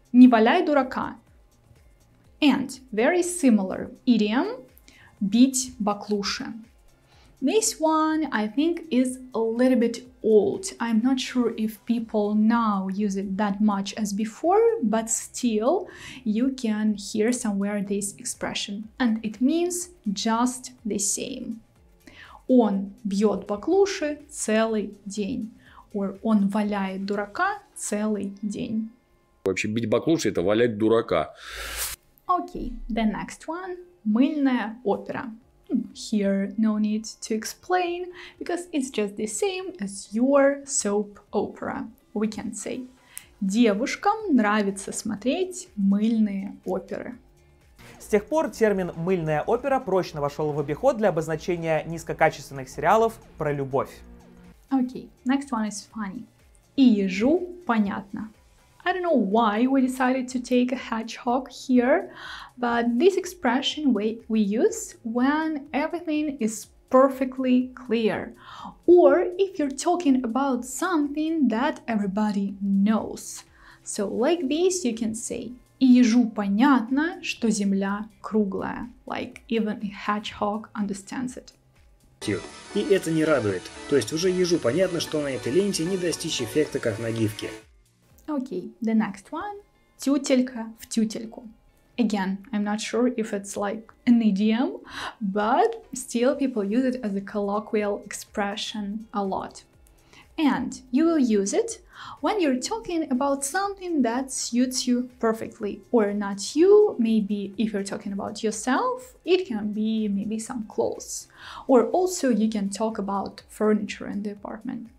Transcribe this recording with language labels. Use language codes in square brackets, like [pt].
[ru] Не валяй дурака. [en] And very similar idiom, [ru] бить баклуши. [en] This one, I think, is a little bit old. I'm not sure if people now use it that much as before, but still, you can hear somewhere this expression. And it means just the same. [ru] Он бьет баклуши целый день. Or он валяет дурака целый день. Вообще, бить баклуши – это валять дурака. [en] Okay, the next one – [ru] мыльная опера. [en] Here, no need to explain, because it's just the same as your soap opera. We can say, [ru] девушкам нравится смотреть мыльные оперы. С тех пор термин «мыльная опера» прочно вошел в обиход для обозначения низкокачественных сериалов про любовь. [en] Okay, next one is funny. [ru] И ежу понятно. [en] I don't know why we decided to take a hedgehog here, but this expression we use when everything is perfectly clear, or if you're talking about something that everybody knows. So like this, you can say, [ru] ежу понятно, что земля круглая. [en] Like even a hedgehog understands it. [ru] И это не радует. То есть уже ежу понятно, что на этой ленте не достичь эффекта, как на гифке. [en] Okay, the next one, [ru] тютелька в тютельку. [en] Again, I'm not sure if it's like an idiom, but still people use it as a colloquial expression a lot. And you will use it when you're talking about something that suits you perfectly, or not you, maybe if you're talking about yourself, it can be maybe some clothes. Or also you can talk about furniture in the apartment.